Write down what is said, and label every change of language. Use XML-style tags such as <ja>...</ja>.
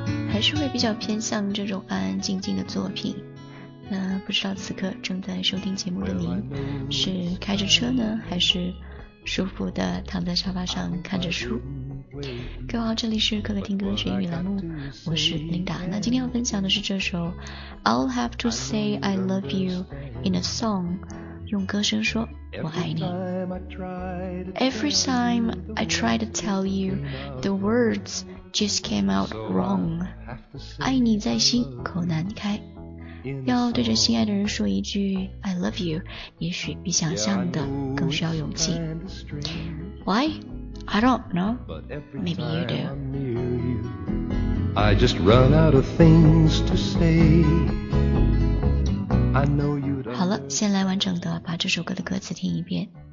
<zh>还是会比较偏向这种安安静静的作品。那不知道此刻正在收听节目的您是开着车呢，还是舒服的躺在沙发上看着书？各位好，这里是可可听歌学英语栏目，我是琳达。那今天要分享的是这首</zh> <en>I'll have to say I love you in a song，</en> <zh>用歌声说我爱你。</zh> <en>Every time I try to tell you the words just came out wrong，</en> <zh>爱你在心口难开。要对着心爱的人说一句</zh> <en>I love you，</en> <zh>也许比想象的更需要勇气。</zh> <en>Why? I don't know. Maybe you do. I just run out of things to say. I know you don't.</en> <zh>好了，先来完整的把这首歌的歌词听一遍。</zh>